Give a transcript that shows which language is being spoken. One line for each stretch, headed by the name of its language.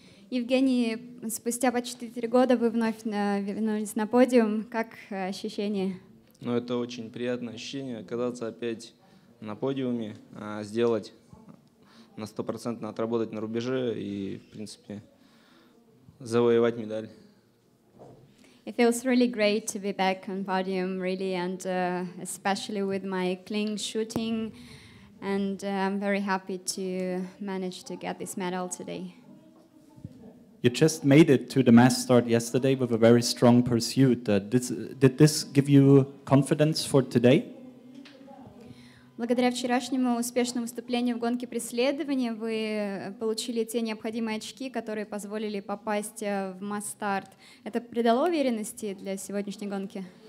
Russian: Евгений, спустя почти 3 года вы вновь вернулись на подиум. Как ощущение? Ну, это очень приятное ощущение, оказаться опять на подиуме, сделать на 100% отработать на рубеже и, в принципе, завоевать медаль.
English: It feels really great to be back on podium, really, and especially with my clean shooting. And I'm very happy to manage to get this medal today. You just made it to the mass start yesterday with a very strong pursuit. Did this give you confidence for today?
Russian: Благодаря вчерашнему успешному выступлению в гонке преследования вы получили те необходимые очки, которые позволили попасть в масс-старт. Это придало уверенности для сегодняшней гонки?